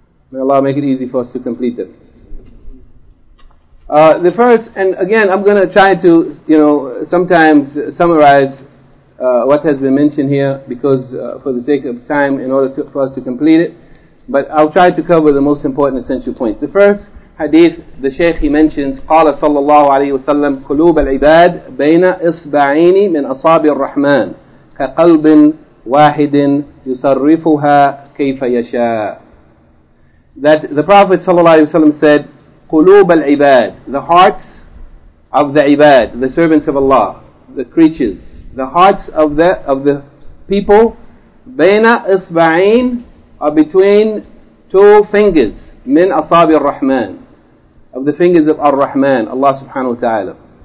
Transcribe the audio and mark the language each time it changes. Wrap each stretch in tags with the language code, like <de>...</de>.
<en>May Allah make it easy for us to complete them. The first, and again, I'm going to try to, you know, sometimes summarize what has been mentioned here, because for the sake of time, in order for us to complete it, but I'll try to cover the most important essential points. The first hadith, the Shaykh, he mentions,</en> <ar>قَالَ صَلَّى اللَّهُ عَلَيْهِ وَسَلَّمُ قُلُوبَ الْعِبَادِ بَيْنَ إِصْبَعِينِ مِنْ أَصَابِ الرَّحْمَنِ كَقَلْبٍ وَاحِدٍ يُصَرِّفُهَا كَيْفَ يَشَاءُ.</ar> <en>That the Prophet ﷺ said,</en> <ar>قُلُوبَ الْعِبَادِ,</ar> <en>the hearts of the ibad, the servants of Allah, the creatures, the hearts of the people,</en> <ar>بَيْنَ إِصْبَعِينَ,</ar> <en>are between two fingers,</en> <ar>مِنْ أَصَابِ الرَّحْمَنِ,</ar> <en>of the fingers of Ar-Rahman, Allah subhanahu wa ta'ala.</en>